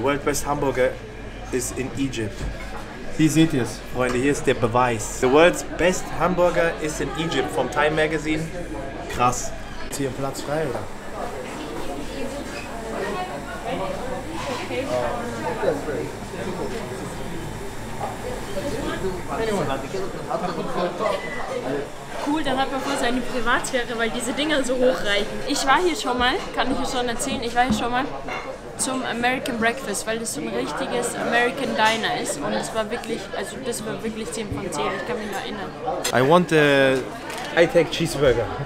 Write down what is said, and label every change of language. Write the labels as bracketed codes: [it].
[en] The world best hamburger is in Egypt. [de] Hier seht ihr es. Freunde, hier ist der Beweis. [en] The world's best hamburger is in Egypt [de] vom [en] Time Magazine. [de] Krass. Ist hier ein Platz frei, oder? Cool, dann hat man wohl seine Privatsphäre, weil diese Dinger so hoch reichen. Ich war hier schon mal, kann ich euch schon erzählen, ich war hier schon mal zum American Breakfast, weil das so ein richtiges American Diner ist. Und es war wirklich, also das war wirklich 10 von 10, ich kann mich noch erinnern. [en] I want a I take cheeseburger.